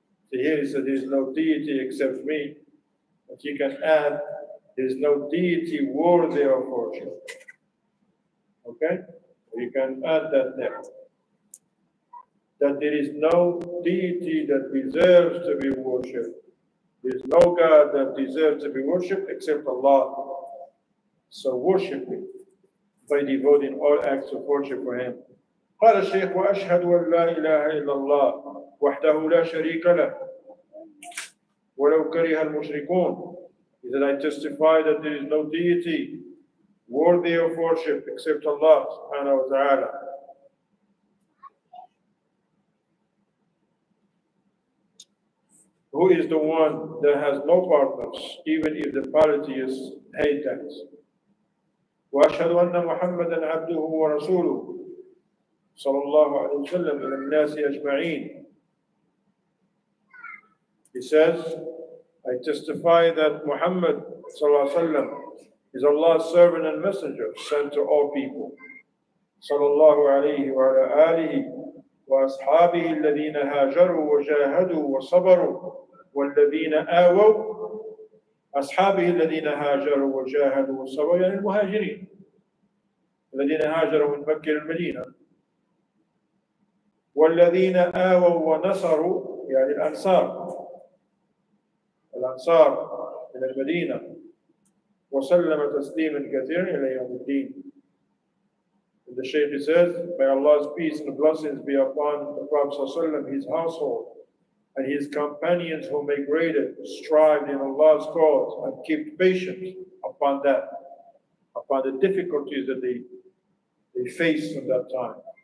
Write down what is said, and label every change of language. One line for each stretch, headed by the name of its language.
English: So here he said, there is no deity except me. But he can add, there is no deity worthy of worship. Okay? We can add that there. That there is no deity that deserves to be worshipped. There is no God that deserves to be worshipped except Allah. So worship me by devoting all acts of worship for him.
Arabic: قال الشيخ: وأشهد أن لا إله إلا الله وحده لا شريك له ولو كره المشركون.
English: He said, I testify that there is no deity worthy of worship except Allah
Arabic: subhanahu wa ta'ala.
English: Who is the one that has no partners, even if the polytheists hate that?
Arabic: وأشهد أن محمدا عبده ورسوله صلى الله عليه وسلم من الناس أجمعين.
English: He says, I testify that Muhammad
Arabic: صلى الله عليه وسلم
English: is Allah's servant and messenger sent to all people.
Arabic: صلى الله عليه وعلى آله وأصحابه الذين هاجروا وجاهدوا وصبروا والذين آووا أصحابه الذين هاجروا وجاهدوا وصبروا يعني المهاجرين الذين هاجروا من مكة للمدينة والذين آووا ونصروا يعني الأنصار الأنصار من المدينة وسلم تسليما كثيرا إلى يوم الدين.
English: And the Shaykh says, may Allah's peace and blessings be upon the Prophet, his household, and his companions who may grade it, strive in Allah's cause, and keep patient upon that, upon the difficulties that they faced from that time.